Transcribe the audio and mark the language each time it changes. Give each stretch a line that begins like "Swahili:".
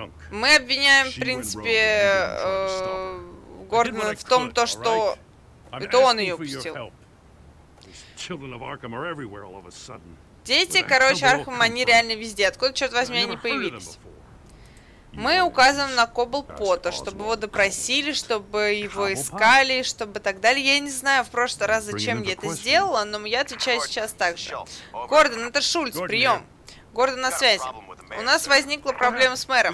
Russian: Мы обвиняем, в принципе, Гордона в том, что это он ее пустил.
English: Children of Arkham are everywhere all of a sudden.
Russian: Дети, короче, Архам, они реально везде. Откуда, черт возьми, они появились? Мы указываем на Кобблпота, чтобы его допросили, чтобы его искали, чтобы так далее. Я не знаю в прошлый раз, зачем я это сделала, но я отвечаю сейчас так же. Гордон, это Шульц, прием. Гордон на связи. У нас возникла проблема с мэром.